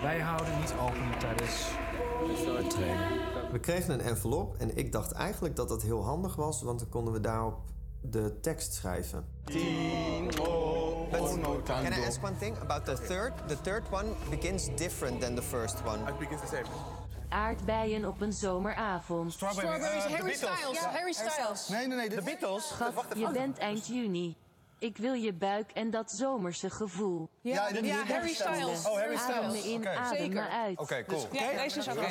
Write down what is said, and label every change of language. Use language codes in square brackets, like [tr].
[nl] Wij houden niet open tijdens het trainen. We kregen een envelop en ik dacht eigenlijk dat dat heel handig was, want dan konden we daarop de tekst schrijven. [en] Can I ask one thing about the third? The third one begins different than the first one. It begins the same. [nl] Aardbeien op een zomeravond. [en] Strawberries, Harry Styles. Styles. Yeah. Harry Styles. [nl] Nee, nee, nee. De Beatles. Schat, je bent eind juni. Ik wil je buik en dat zomerse gevoel. Ja, ja, Harry Styles. Oh, Harry Styles. Adem me in, okay. Adem me uit. Oké, okay, cool. Ja, deze is oké. Okay.